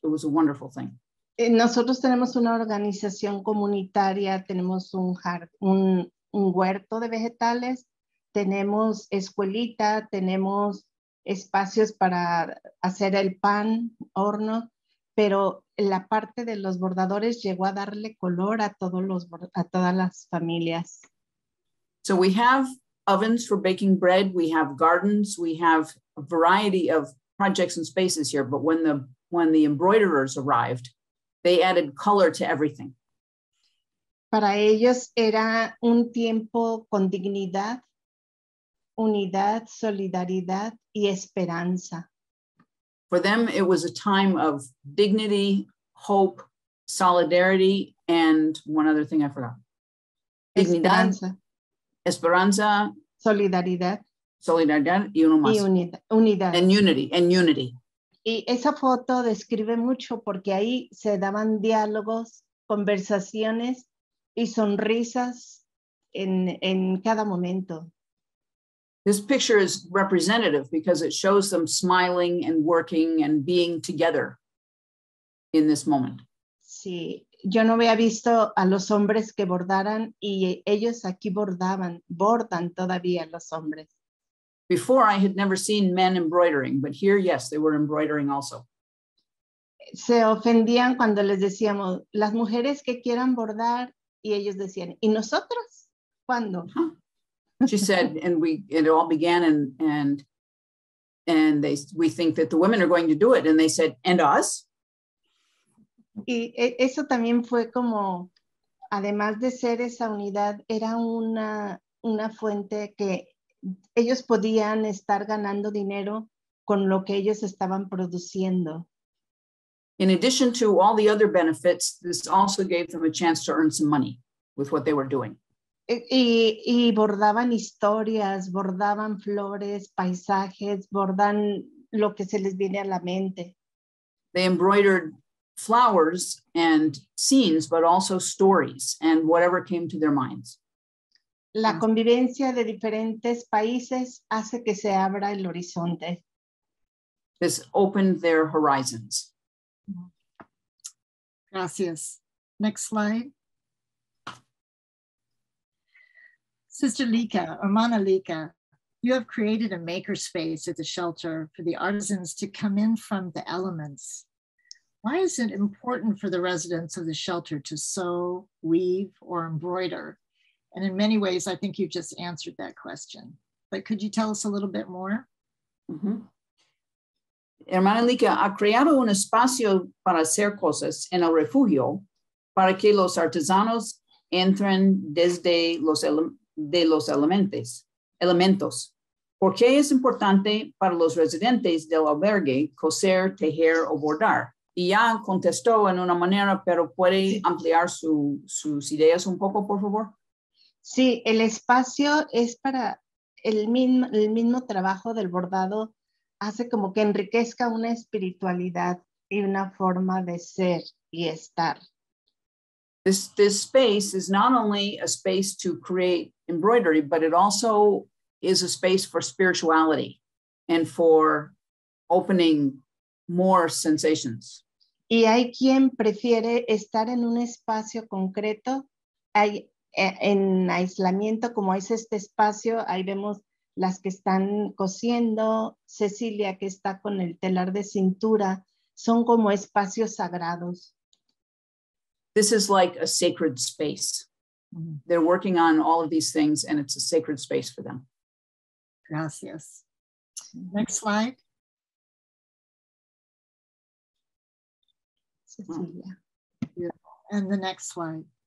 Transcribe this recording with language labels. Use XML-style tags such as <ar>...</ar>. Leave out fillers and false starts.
<en>It was a wonderful thing.</en> <es>Nosotros tenemos una organización comunitaria, tenemos un huerto de vegetales, tenemos escuelita, tenemos espacios para hacer el pan, horno, pero la parte de los bordadores llegó a darle color a todas las familias.</es> <en>So we have ovens for baking bread, we have gardens, we have a variety of projects and spaces here, but when the embroiderers arrived, they added color to everything.</en> <es>Para ellos era un tiempo con dignidad, unidad, solidaridad y esperanza.</es> <en>For them, it was a time of dignity, hope, solidarity, and one other thing I forgot.</en> <es>Dignidad, esperanza. Esperanza. Solidaridad. Solidaridad y uno más. Y unidad.</es> <en>And unity.</en> <es>Y esa foto describe mucho porque ahí se daban diálogos, conversaciones y sonrisas en cada momento.</es> <en>This picture is representative because it shows them smiling and working and being together in this moment.</en> <es>Sí, yo no había visto a los hombres que bordaran y ellos aquí bordaban, bordan todavía los hombres.</es> <en>Before, I had never seen men embroidering, but here, yes, they were embroidering also.</en> <es>Se ofendían cuando les decíamos, las mujeres que quieran bordar, y ellos decían, ¿y nosotros? ¿Cuándo?</es> <en>She said, and we, it all began, and they, we think that the women are going to do it, and they said, and us?</en> <es>Y eso también fue como, además de ser esa unidad, era una fuente que ellos podían estar ganando dinero con lo que ellos estaban produciendo.</es> <en>In addition to all the other benefits, this also gave them a chance to earn some money with what they were doing.</en> <es>Y bordaban historias, bordaban flores, paisajes, bordan lo que se les viene a la mente.</es> <en>They embroidered flowers and scenes, but also stories and whatever came to their minds.</en> <es>La convivencia de diferentes países hace que se abra el horizonte.</es> <en>This opened their horizons. Gracias. Next slide. Sister Lika, Hermana Lika, you have created a makerspace at the shelter for the artisans to come in from the elements. Why is it important for the residents of the shelter to sew, weave, or embroider? And in many ways, I think you've just answered that question. But could you tell us a little bit more? Mm-hmm.</en> <es>Hermana Lika, ha creado un espacio para hacer cosas en el refugio para que los artesanos entren desde los elementos. ¿Por qué es importante para los residentes del albergue coser, tejer o bordar? Y ya contestó en una manera, pero puede ampliar sus ideas un poco, por favor. Sí, el espacio es para el mismo trabajo del bordado, hace como que enriquezca una espiritualidad y una forma de ser y estar.</es> <en>This space is not only a space to create embroidery, but it also is a space for spirituality and for opening more sensations.</en> <es>Y hay quien prefiere estar en un espacio concreto. Hay en aislamiento, como es este espacio, ahí vemos las que están cosiendo, Cecilia que está con el telar de cintura, son como espacios sagrados.</es> <en>This is like a sacred space. They're working on all of these things and it's a sacred space for them. Gracias. Next slide. Cecilia. And the next slide.</en>